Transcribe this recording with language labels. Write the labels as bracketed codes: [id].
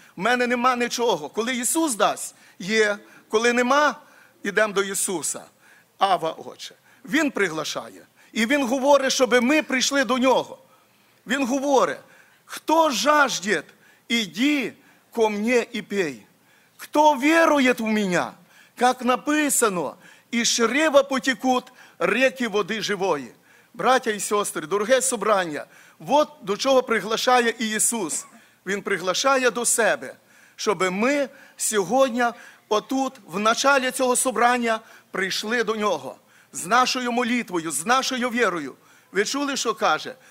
[uk] В мене нема нічого. Коли Ісус дасть, є. Коли нема, йдемо до Ісуса. Ава, Отче. Він приглашає. І він говорить, щоб ми прийшли до нього. Він говорить: [ru] «Хто жаждет, іди ко мне і пей. Хто верует в меня, как написано, і шрева потекут реки води живої». [uk] Браття і сестри, дороге собрання, от до чого приглашає і Ісус. Він приглашає до себе, щоб ми сьогодні отут, в началі цього собрання, прийшли до нього. З нашою молитвою, з нашою вірою. Ви чули, що каже?